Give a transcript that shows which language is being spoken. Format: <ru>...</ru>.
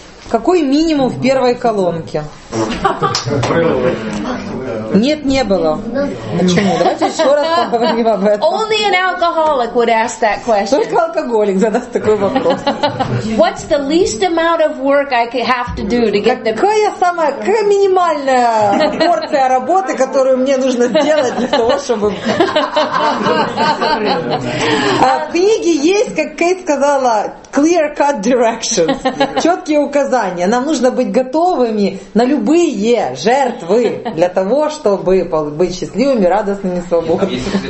<ru>Какой минимум в первой колонке? Нет, не было. Почему? Давайте еще раз поговорим об этом.</ru> <en>Only an alcoholic would ask that question.</en> <ru>Только алкоголик задаст такой вопрос.</ru> <en>What's the least amount of work I have to do to get the?</en> <ru>Какая самая, какая минимальная порция работы, которую мне нужно сделать для того, чтобы? В книге есть, как Кейт сказала,</ru> <en>clear-cut directions,</en> <ru>четкие указания. Нам нужно быть готовыми на любые жертвы для того, чтобы быть счастливыми, радостными, свободными.</ru>